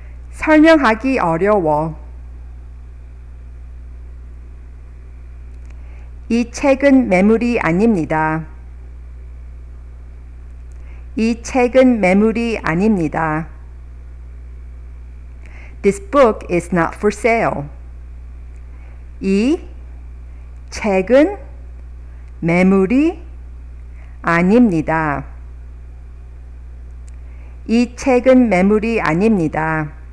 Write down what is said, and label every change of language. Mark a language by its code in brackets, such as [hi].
[ko] 설명하기 어려워. 이 책은 매물이 아닙니다. 이 책은 매물이 아닙니다. [en] This book is not for sale. [ko] 이 책은 매물이 아닙니다. 이 책은 매물이 아닙니다.